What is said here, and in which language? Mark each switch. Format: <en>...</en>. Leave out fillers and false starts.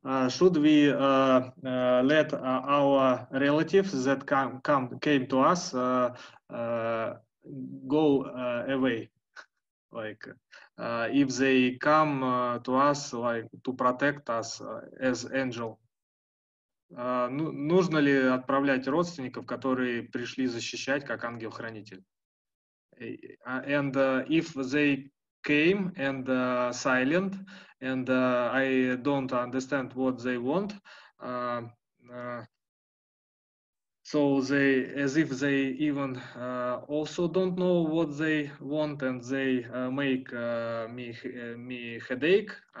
<en>Should we let our relatives that came to us go away, like if they come to us, like to protect us as angel.</en> <ru>Нужно ли отправлять родственников, которые пришли защищать как ангел-хранитель?</ru> <en>And if they came and silent, and I don't understand what they want. So they, as if they even also don't know what they want, and they make me headache.</en>